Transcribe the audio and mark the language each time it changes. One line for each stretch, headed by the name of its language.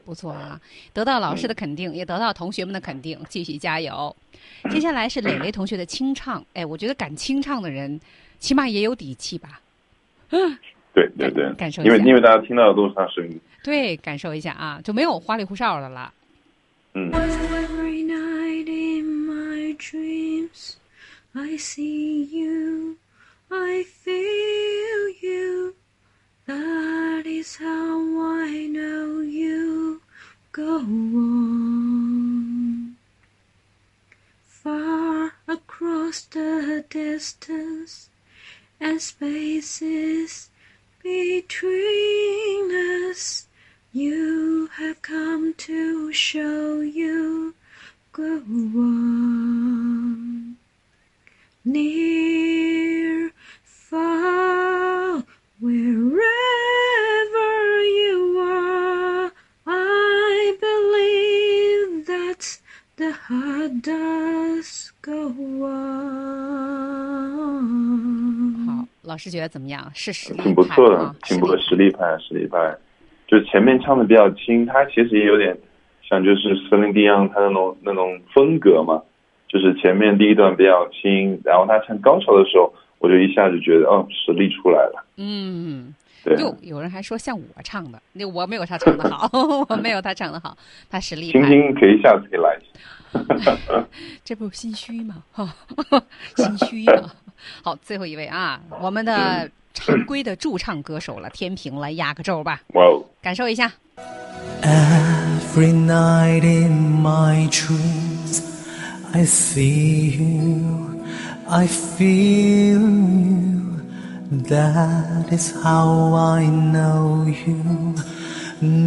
Chinese: 不错啊，得到老师的肯定，也得到同学们的肯定，继续加油。接下来是磊磊同学的清唱，哎，我觉得敢清唱的人，起码也有底气吧。对对对，感受一下，因为大家听到的都是他声音。对，感受一下啊，就没有花里胡哨的了。嗯。
English: Every night in my dreams, I see you, I feel you. That is how I know you. Go on, far across the distance and spaces between us. You have come to show you go on near, far, wherever you are. I believe that the heart does go on.
Chinese: 好，老师觉得怎么样？是实力派，挺不错的，挺不错，实力派，实力派。就前面唱的比较轻，他其实也有点像就是斯林迪昂他那种风格嘛，就是前面第一段比较轻，然后他唱高潮的时候，我就一下就觉得哦，实力出来了。嗯，对。有人还说像我唱的，那我没有他唱的好，我没有他唱的好，他实力。听听，可以下次可以来一下。这不心虚吗？心虚啊！好，最后一位啊，我们的。常规的驻唱歌手了，天平来压个轴吧。哇、wow. 感受一下。
English: Every night in my dreams, I see you, I feel you. That is how I know you.